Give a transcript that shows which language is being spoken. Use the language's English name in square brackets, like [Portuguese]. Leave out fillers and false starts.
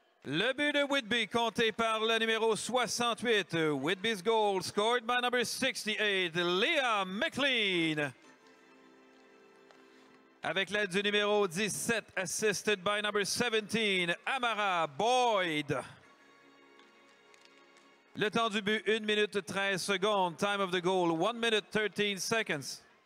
[French] Le but de Whitby, compté par le numéro 68. [English] Whitby's goal, scored by number 68, Leah McLean. [French] Avec l'aide du numéro 17, [English] assisted by number 17, [French] Amara Boyd. Le temps du but, 1 minute 13 secondes. [English] Time of the goal, 1 minute 13 seconds.